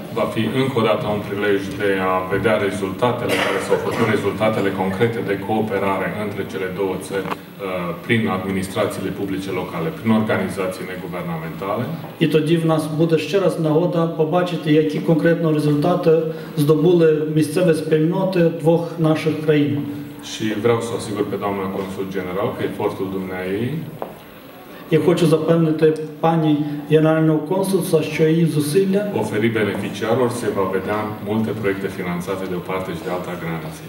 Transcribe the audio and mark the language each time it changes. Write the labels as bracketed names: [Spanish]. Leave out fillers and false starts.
[Romanian] Va fi încă o dată un prilej de a vedea rezultatele care s-au făcut, rezultatele concrete de cooperare între cele două țări prin administrațiile publice locale, prin organizații neguvernamentale. [Ukrainian] І тоді в нас буде ще раз нагода побачити, які конкретно результати здобули місцеві спільноти двох наших країн. [Romanian] Și vreau să asigur pe doamna consul general că efortul dumneaei. [Ukrainian] Я хочу запевнити пані генерального консульства, що її зусилля [Romanian] oferi beneficiarilor se va vedea multe proiecte finanțate de o parte și de alta a granației.